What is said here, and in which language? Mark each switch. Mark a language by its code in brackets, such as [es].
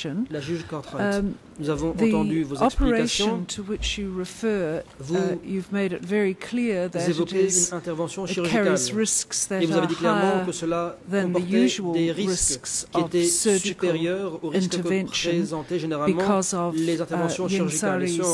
[fr] La juge Cartwright, nous avons entendu vos explications. [en] To which you refer, you've made it very clear that [fr] vous évoquez une intervention chirurgicale. Et vous avez dit clairement que cela comportait des risques qui étaient supérieurs aux risques que présentaient généralement les interventions chirurgicales.